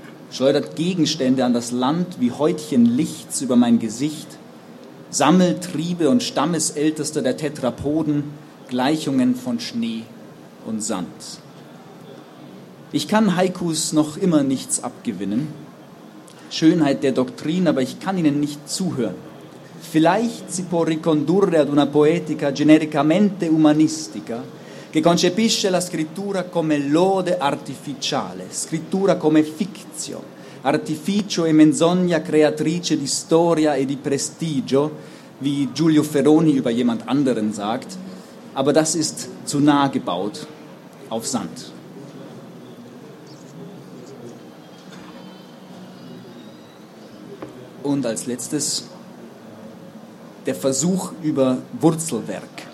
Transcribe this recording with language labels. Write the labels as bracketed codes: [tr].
[de] Schleudert Gegenstände an das Land wie Häutchen Lichts über mein Gesicht. Sammeltriebe und Stammesältester der Tetrapoden, Gleichungen von Schnee und Sand. Ich kann Haikus noch immer nichts abgewinnen, Schönheit der Doktrin, aber ich kann ihnen nicht zuhören. Vielleicht [it] si può ricondurre ad una poetica genericamente umanistica, che concepisce la scrittura come lode artificiale, scrittura come fictio, artificio e menzogna creatrice di storia e di prestigio, [de] wie Giulio Ferroni über jemand anderen sagt, aber das ist zu nah gebaut auf Sand. Und als letztes der Versuch über Wurzelwerk.